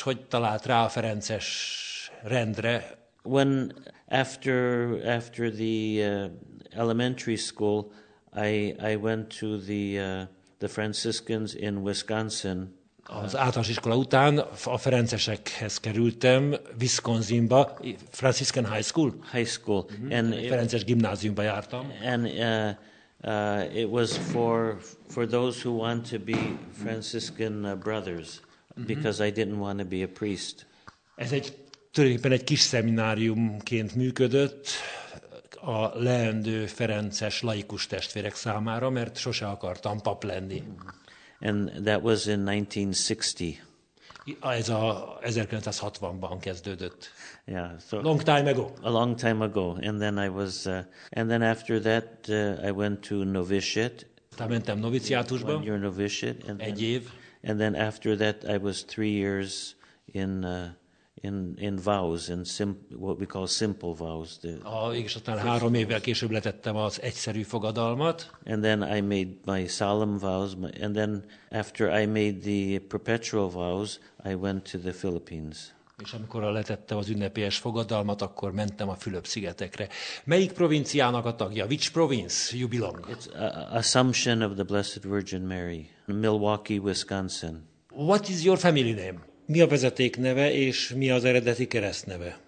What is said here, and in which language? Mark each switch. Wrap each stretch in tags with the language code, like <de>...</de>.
<hu>Hogy talált rá a Ferences rendre?</hu> <en>When after the elementary school, I went to the Franciscans in Wisconsin.</en> <hu>Az általános iskola után a ferencesekhez kerültem Wisconsinba,</hu> <en>Franciscan High School. High School.</en> <hu>And ferences gimnáziumba jártam.</hu> <en>And it was for those who want to be Franciscan brothers, because I didn't want to be a priest.</en> <hu>Ez egy tulajdonképpen egy kis szemináriumként működött a leendő ferences laikus testvérek számára, mert sose akartam pap lenni.</hu> <en>And that was in 1960.</en> <hu>Ez a 1960-ban kezdődött.</hu> <en>Yeah, so long time ago. A long time ago, and then I was, and then after that, I went to novitiate.</en> <hu>Tehát mentem noviciátusba.</hu> <en>One year novitiate,</en> <hu>and egy év.</hu> <en>And then after that, I was 3 years in vows, in what we call simple vows.</en> <hu>És aztán 3 évvel később letettem az egyszerű fogadalmat.</hu> <en>And then I made my solemn vows, and then after I made the perpetual vows, I went to the Philippines.</en> <hu>És amikor letettem az ünnepélyes fogadalmat, akkor mentem a Fülöp-szigetekre. Melyik provinciának a tagja?</hu> <en>Which province you belong? It's Assumption of the Blessed Virgin Mary, Milwaukee, Wisconsin. What is your family name?</en> <hu>Mi a vezeték neve és mi az eredeti keresztneve?</hu>